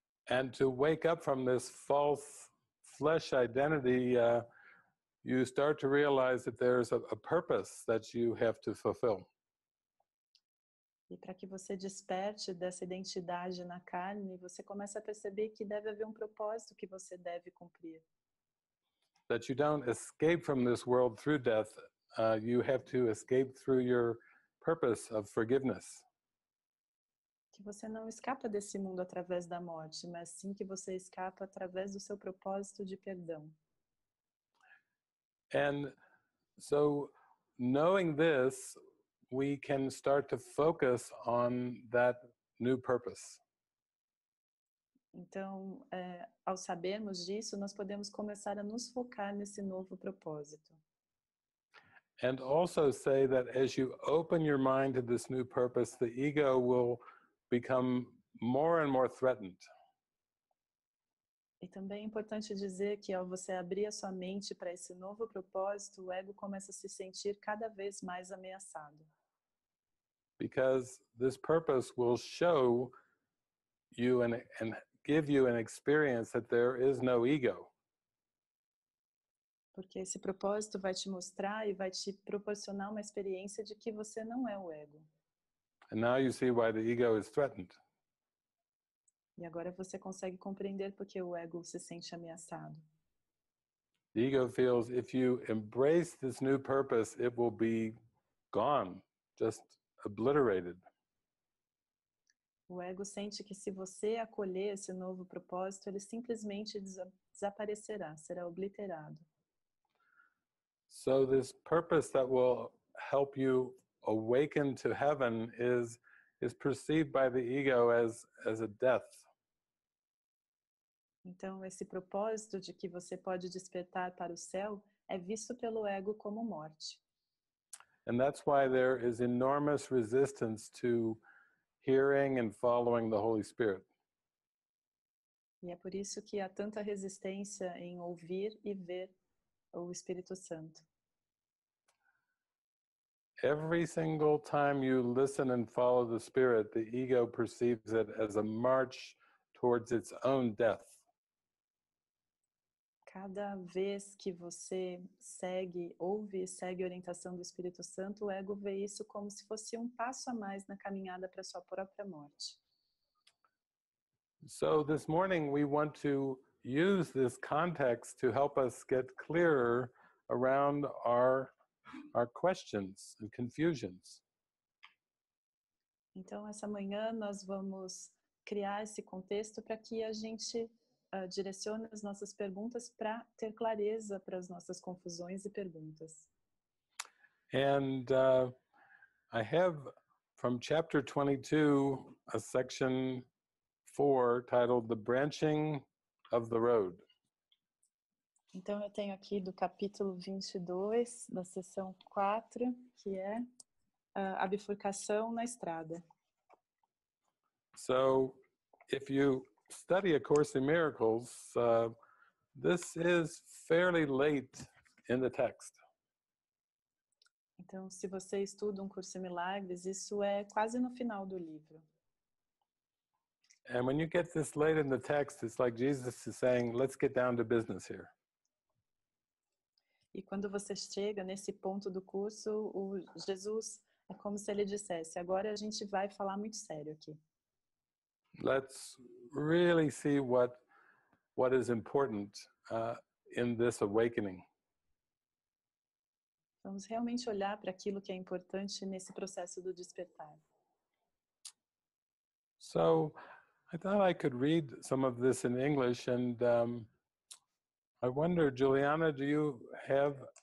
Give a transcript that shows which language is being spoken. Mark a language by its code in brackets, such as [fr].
[en] And to wake up from this false flesh identity, you start to realize that there's a purpose that you have to fulfill. [pt] E para que você desperte dessa identidade na carne, você começa a perceber que deve haver um propósito que você deve cumprir. [en] That you don't escape from this world through death, you have to escape through your purpose of forgiveness. [pt] Que você não escapa desse mundo através da morte, mas sim que você escapa através do seu propósito de perdão. [en] And so, knowing this, we can start to focus on that new purpose. [pt] Então, ao sabermos disso, nós podemos começar a nos focar nesse novo propósito. [en] And also say that as you open your mind to this new purpose, the ego will become more and more threatened. [pt] E também é importante dizer que ao você abrir a sua mente para esse novo propósito, o ego começa a se sentir cada vez mais ameaçado. [en] Because this purpose will show you and give you an experience that there is no ego. [pt] Porque esse propósito vai te mostrar e vai te proporcionar uma experiência de que você não é o ego. [en] And now you see why the ego is threatened. [pt] E agora você consegue compreender porque o ego se sente ameaçado. [en] The ego feels if you embrace this new purpose, it will be gone, just obliterated. [pt] O ego sente que se você acolher esse novo propósito, ele simplesmente desaparecerá, será obliterado. [en] So this purpose that will help you awaken to heaven is perceived by the ego as a death. [pt] Então, esse propósito de que você pode despertar para o céu é visto pelo ego como morte. [en] And that's why there is enormous resistance to hearing and following the Holy Spirit. [pt] E é por isso que há tanta resistência em ouvir e ver o Espírito Santo. [en] Every single time you listen and follow the Spirit, the ego perceives it as a march towards its own death. [pt] Cada vez que você segue, ouve e segue a orientação do Espírito Santo, o ego vê isso como se fosse um passo a mais na caminhada para sua própria morte. [en] So this morning we want to use this context to help us get clearer around our questions and confusions. [pt] Então essa manhã nós vamos criar esse contexto para que a gente direciona as nossas perguntas para ter clareza para as nossas confusões e perguntas. [en] And I have from chapter 22 a section 4 titled The Branching of the Road. [pt] Então eu tenho aqui do capítulo 22 da seção 4, que é a bifurcação na estrada. [en] So if you study A Course in Miracles, this is fairly late in the text. [pt] Então, se você estuda Curso em Milagres, isso é quase no final do livro. [en] And when you get this late in the text, it's like Jesus is saying, let's get down to business here. [pt] E quando você chega nesse ponto do curso, o Jesus é como se ele dissesse, agora a gente vai falar muito sério aqui. [en] Let's really see what is important in this awakening. [pt] Vamos realmente olhar para aquilo que é importante nesse processo do despertar. [en] So, I thought I could read some of this in English, and I wonder, Juliana, do you have